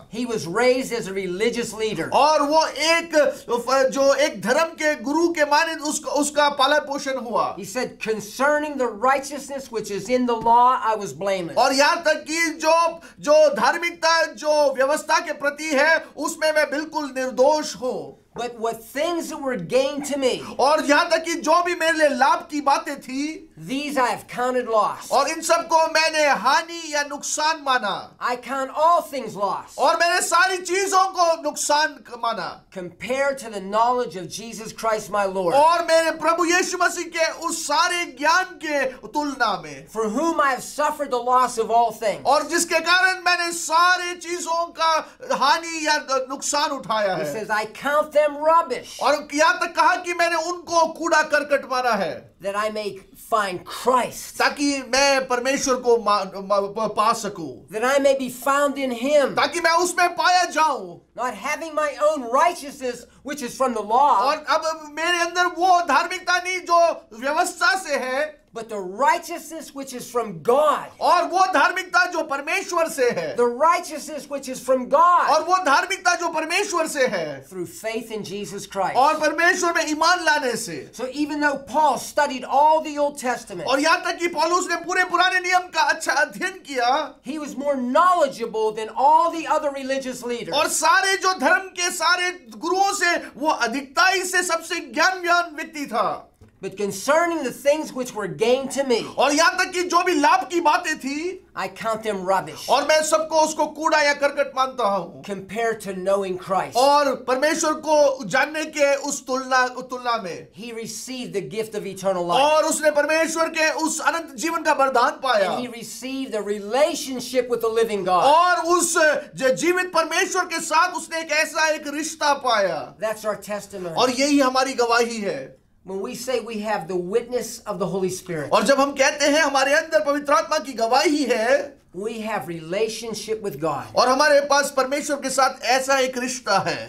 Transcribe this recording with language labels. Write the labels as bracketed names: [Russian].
[English] He was raised as a religious leader. [Hindi] और वो एक जो एक धर्म के गुरु के मानिंद उसका पालन पोषण हुआ. [English] He said concerning the righteousness which is in the law, I was blameless. [Hindi] और यहाँ तक कि जो धार्मिकता जो व्यवस्था के प्रति है उसमें मैं बिल्कुल निर्दोष हूँ. [English] But what things that were gained to me, [Hindi] और यहाँ तक कि जो भी मेरे लिए लाभ की बातें थी, [English] these I have counted loss. [Hindi] और इन सब को मैंने हानि या नुकसान माना. [English] I count all things loss. [Hindi] और मैंने सारी चीजों को नुकसान माना. [English] Compared to the knowledge of Jesus Christ my Lord. [Hindi] और मेरे प्रभु यीशु मसीह के उस सारे ज्ञान के तुलना में. [English] For whom I have suffered the loss of all things. [Hindi] और जिसके कारण मैंने सारे चीजों का हानि या नुकसान उठाया है. [English] He says I count them rubbish. [Hindi] और यहाँ तक कहा कि मैंने उनको कूड़ा करकट माना है. [English] That I may find Christ. [Hindi] ताकि मैं परमेश्वर को पा सकूं. [English] That I may be found in Him. [Hindi] ताकि मैं उसमें पाया जाऊं. [English] Not having my own righteousness, which is from the law. [Hindi] और अब मेरे अंदर वो धार्मिकता नहीं जो व्यवस्था से है. [English] But the righteousness which is from God. [Hindi] और वो धार्मिकता जो परमेश्वर से है. [English] The righteousness which is from God. [Hindi] और वो धार्मिकता जो परमेश्वर से है. [English] Through faith in Jesus Christ. [Hindi] और परमेश्वर में ईमान लाने से. [English] So even though Paul studied all the Old Testament. [Hindi] और यहाँ तक कि पौलुस ने पूरे पुराने नियम का अच्छा अध्ययन किया. [English] He was more knowledgeable than all the other religious leaders. [Hindi] और सारे जो धर्म के सारे गुरुओं से वो अधिकताई से सबसे ज्ञानवान व्यक्ति था. [English] But concerning the things which were gained to me, [Hindi] और यहाँ तक कि जो भी लाभ की बातें थी, [English] I count them rubbish. [Hindi] और मैं सबको उसको कूड़ा या करकट मानता हूँ. [English] Compared to knowing Christ, [Hindi] और परमेश्वर को जानने के उस तुलना में, [English] He received the gift of eternal life. [Hindi] और उसने परमेश्वर के उस अनंत जीवन का वरदान पाया. [English] And He received a relationship with the living God. [Hindi] और उस जीवित परमेश्वर के साथ उसने एक ऐसा एक रिश्ता पाया. [English] That's our testimony. [Hindi] और यही हमारी गवाही है. [English] When we say we have the witness of the Holy Spirit, [Hindi] और जब हम कहते हैं हमारे अंदर पवित्र आत्मा की गवाही है, [English] we have relationship with God. [Hindi] और हमारे पास परमेश्वर के साथ ऐसा एक रिश्ता है.